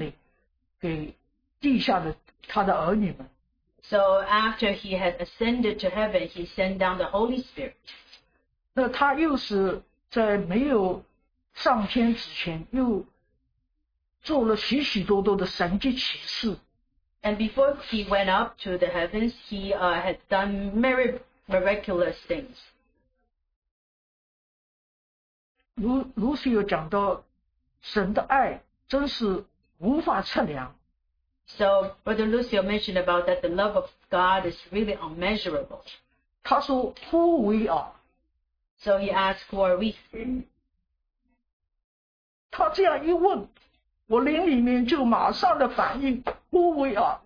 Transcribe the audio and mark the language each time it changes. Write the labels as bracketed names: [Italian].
[Chinese] 他就是离开地上到天上死而复活，他仍然放下了圣灵给地下的他的儿女们。 [English] So after he had ascended to heaven, he sent down the Holy Spirit. [Chinese] 那他又是在没有上天之前又做了许许多多的神迹奇事。 [English] And before he went up to the heavens, he had done many miraculous things. [Chinese] 卢西又讲到神的爱真是无法测量。 [English] So Brother Lucio mentioned about that the love of God is really unmeasurable. [Chinese] 他说, [English] who we are. So he asked, who are we? [Chinese] 他这样一问, 我灵里面就马上的反应, [English] who we are.